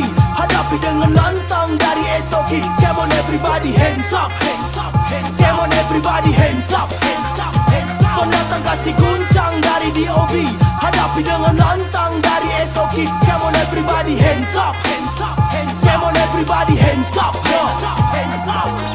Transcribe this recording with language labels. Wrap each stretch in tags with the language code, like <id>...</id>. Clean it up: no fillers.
<id>Hadapi dengan lantang dari S.O.K.</id> <en>Come on everybody, hands up, hands up, hands up. Come on everybody, hands up, hands up, hands up.</en> <id>Kau datang kasih guncang dari D.O.B. Hadapi dengan lantang dari S.O.K.</id> <en>Come on everybody, hands up, hands up, hands up. Come on everybody, hands up, hands up, hands up.</en>